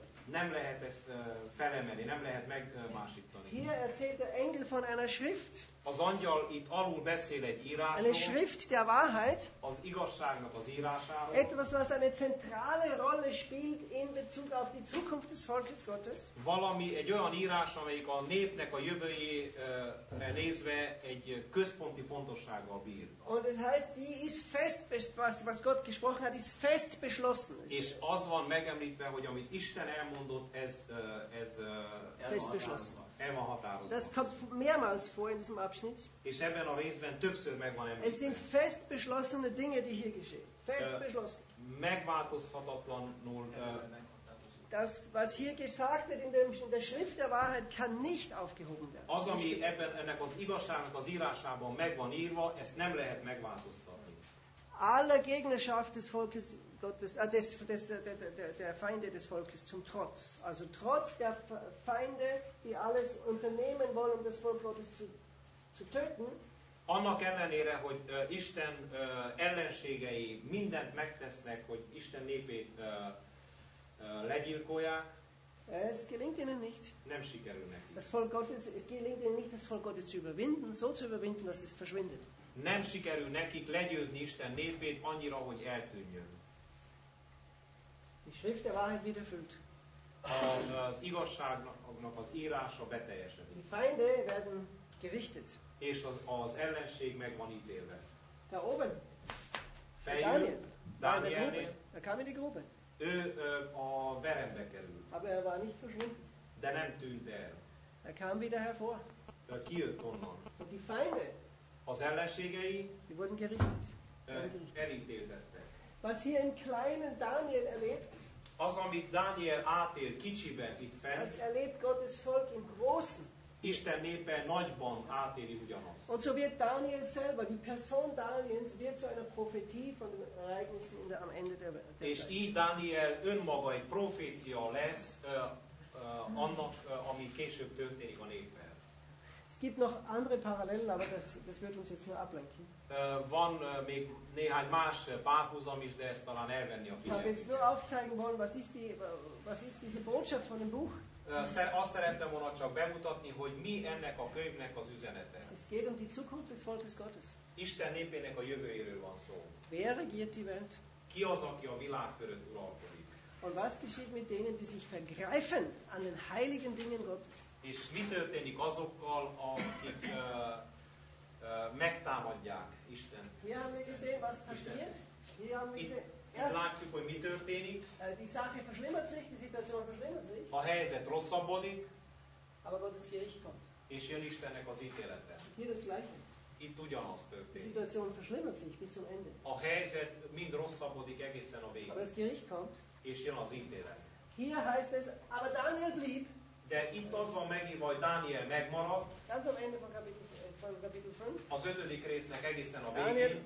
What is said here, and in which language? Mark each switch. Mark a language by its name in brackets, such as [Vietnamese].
[Hungarian] Nem lehet ezt felemelni, nem lehet megmásítani. [German] Hier erzählt der Engel von einer Schrift. [Hungarian] Az angyal itt alul beszél egy írásról. [German] Eine Schrift der Wahrheit. [Hungarian] Az igazságnak az írásáról. [German] Etwas, was eine zentrale Rolle spielt in Bezug auf die Zukunft des Volkes Gottes. [Hungarian] Valami, egy olyan írás, amelyik a népnek a jövőjére nézve egy központi fontossággal bír. [German] Und es heißt, die ist fest, was Gott gesprochen hat, ist fest beschlossen. [Hungarian] És az van megemlítve, hogy amit Isten elmondott, ez [German] fest beschlossen. [Hungarian] El van határozva. [German] Das kommt mehrmals vor in diesem Abschnitt. [Hungarian] És ebben a részben többször meg van említve. [German] Es sind fest beschlossene Dinge, die hier geschehen. Fest beschlossen. [Hungarian] Megváltozhatatlanul [German] Das, was hier gesagt wird in der Schrift der Wahrheit, kann nicht aufgehoben werden. [Hungarian] Az, ami ebben, ennek az igazságnak az írásában megvan írva, ezt nem lehet megváltoztatni. [German] Alle Gegnerschaft des Volkes Gottes, der Feinde des Volkes zum Trotz. Also trotz der Feinde, die alles unternehmen wollen, um das Volk Gottes zu töten. [Hungarian] Annak ellenére, hogy Isten ellenségei mindent megtesznek, hogy Isten népét legyilkolják. [German] Es gelingt ihnen nicht. [Hungarian] Nem sikerül nekik. [German] Das Volk Gottes, es gelingt ihnen nicht, das Volk Gottes zu überwinden, so zu überwinden, dass es verschwindet. [Hungarian] Nem sikerül nekik legyőzni Isten népét annyira, hogy eltűnjön. [German] Die Schrift der Wahrheit wird erfüllt. [Hungarian] Az igazságnak az írása beteljesedik. [German] Die Feinde werden gerichtet. [Hungarian] És az ellenség meg van ítélve. [German] Da oben. Daniel. Er kam in die Grube. [Hungarian] Ő a verembe került. [German] Aber er war nicht verschwunden. [Hungarian] De nem tűnt el. [German] Er kam wieder hervor. [Hungarian] Kijött onnan. [German] Und die Feinde. [Hungarian] Az ellenségei. [German] Die wurden gerichtet. [Hungarian] Elítéltettek. [German] Was hier im kleinen Daniel erlebt. [Hungarian] Az, amit Daniel átél kicsiben itt fent. [German] Das erlebt Gottes Volk im Großen. [Hungarian] Isten népe nagyban átéri ugyanazt. [German] Und so wird Daniel selber, die Person Daniels wird zu einer Prophetie von den Ereignissen in der, am Ende der Welt. [Hungarian] És így Daniel önmaga egy profécia lesz annak, ami később történik a népben. [German] Es gibt noch andere Parallelen, aber das wird uns jetzt nur ablenken. [Hungarian] Van még néhány más párhuzam is, de ezt talán elvenni a figyelmet. [German] Ich habe jetzt nur aufzeigen wollen, was ist diese Botschaft von dem Buch? [Hungarian] Azt szerettem volna csak bemutatni, hogy mi ennek a könyvnek az üzenete. [German] Es geht um die Zukunft des Volkes Gottes. [Hungarian] Isten népének a jövőjéről van szó. [German] Wer regiert die Welt? [Hungarian] Ki az, aki a világ fölött uralkodik? [German] Und was geschieht mit denen, die sich vergreifen an den heiligen Dingen Gottes? [Hungarian] És mi történik azokkal, akik megtámadják Isten? [German] Wir haben gesehen, was passiert. [Hungarian] Itt látjuk, hogy mi történik. [German] Die Sache verschlimmert sich, die Situation verschlimmert sich. [Hungarian] A helyzet rosszabbodik. [German] Aber Gottes Gericht kommt. [Hungarian] És jön Istennek az ítélete. [German] Hier das Gleiche. [Hungarian] Itt ugyanaz történik. [German] Die Situation verschlimmert sich bis zum Ende. [Hungarian] A helyzet mind rosszabbodik egészen a végig. [German] Aber das Gericht kommt. [Hungarian] És jön az ítélet. [German] Hier heißt es, aber Daniel blieb. [Hungarian] De itt az van megírva, hogy Dániel megmaradt. [German] Ganz am Ende von Kapitel 5. [Hungarian] Az ötödik résznek egészen a végig.